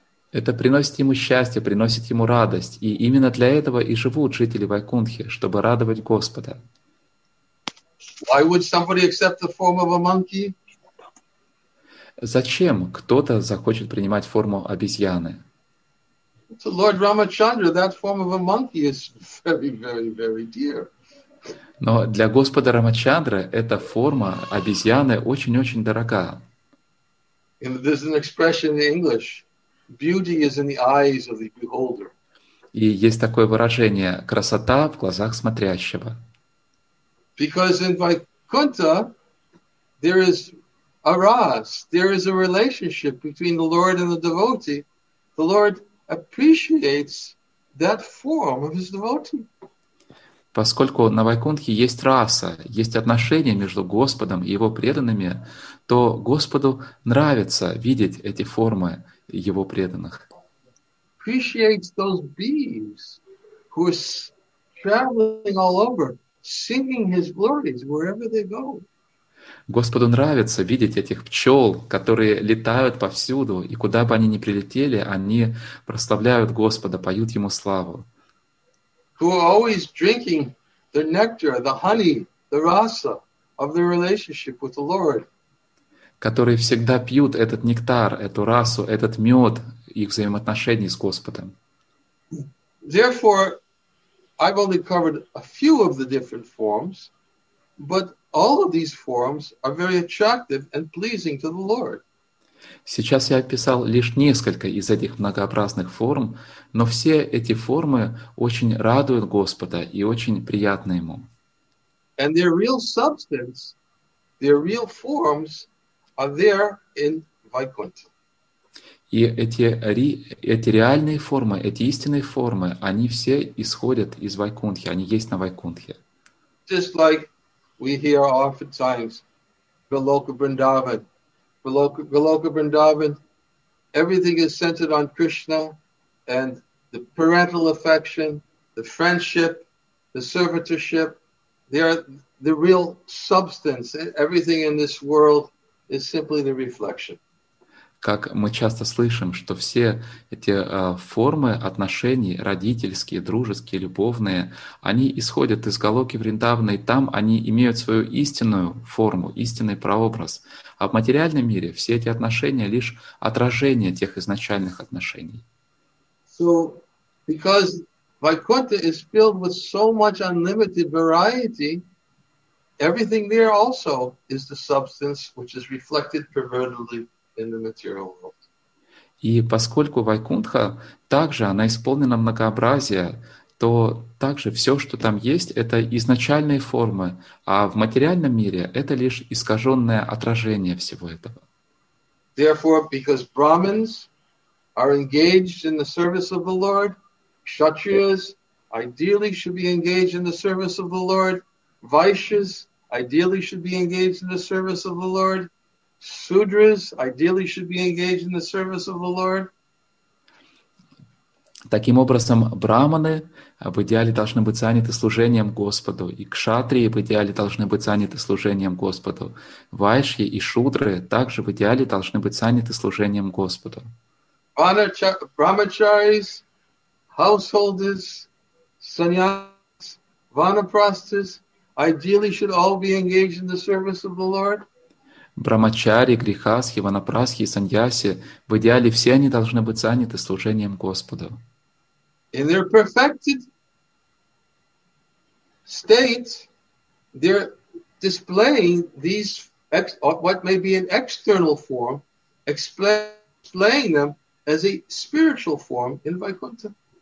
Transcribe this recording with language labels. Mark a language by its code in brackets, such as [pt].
[ru] Это приносит ему счастье, приносит ему радость. И именно для этого и живут жители Вайкунтхи, чтобы радовать Господа. [en] Why would somebody accept the form of a monkey? [ru] Зачем кто-то захочет принимать форму обезьяны? [en] To Lord Ramachandra, that form of a monkey is very, very, very dear. [ru] Но для Господа Рамачандры эта форма обезьяны очень-очень дорога. [en] And there's an expression in English: beauty is in the eyes of the beholder. [ru] И есть такое выражение: красота в глазах смотрящего. [en] Because in Vaikuntha there is a ras, there is a relationship between the Lord and the devotee. The Lord appreciates that form of his devotee. [ru] Поскольку на Вайкунтхе есть раса, есть отношения между Господом и его преданными, то Господу нравится видеть эти формы его преданных. [en] Appreciates those bees who are traveling all over, singing his glories wherever they go. [ru] Господу нравится видеть этих пчел, которые летают повсюду, и куда бы они ни прилетели, они прославляют Господа, поют ему славу. [en] Who are always drinking the nectar, the honey, the rasa of their relationship with the Lord. [ru] Которые всегда пьют этот нектар, эту расу, этот мед их взаимоотношений с Господом. [en] Therefore, I've only covered a few of the different forms, but all of these forms are very attractive and pleasing to the Lord. [ru] Сейчас я описал лишь несколько из этих многообразных форм, но все эти формы очень радуют Господа и очень приятны Ему. [en] And their real substance, their real forms are there in Vaikuntha. [ru] И эти реальные формы, эти истинные формы, они все исходят из Вайкунтхи, они есть на Вайкунтхе. [en] Just like we hear oftentimes Goloka Vrindavan. Goloka Vrindavan, everything is centered on Krishna and the parental affection, the friendship, the servitorship. They are the real substance. Everything in this world is simply the reflection. [ru] Как мы часто слышим, что все эти формы отношений, родительские, дружеские, любовные, они исходят из Голоки Вриндавана, и там они имеют свою истинную форму, истинный прообраз. А в материальном мире все эти отношения — лишь отражение тех изначальных отношений. [en] So, because Vaikuntha is filled with so much unlimited variety, everything there also is the substance which is reflected pervertedly in the material world. [ru] И поскольку Вайкунтха также она исполнена многообразия, то также все, что там есть, это изначальные формы, а в материальном мире это лишь искаженное отражение всего этого. [en] Therefore, because Brahmins are engaged in the service of the Lord, Kshatriyas ideally should be engaged in the service of the Lord, Vaishyas ideally should be engaged in the service of the Lord, Sudras ideally should be engaged in the service of the Lord. [ru] Таким образом, брахманы в идеале должны быть заняты служением Господу, и кшатрии в идеале должны быть заняты служением Господу. Вайшьи и шудры также в идеале должны быть заняты служением Господу. [en] Brahmacharis, householders, sannyasis, vanaprasthas ideally should all be engaged in the service of the Lord. [ru] Брамачари, грихасхи, ванапрасхи и саньяси, в идеале все они должны быть заняты служением Господу. [en] In their perfected state, they're displaying these, what may be an external form, explaining them as a spiritual form in Vaikuntha.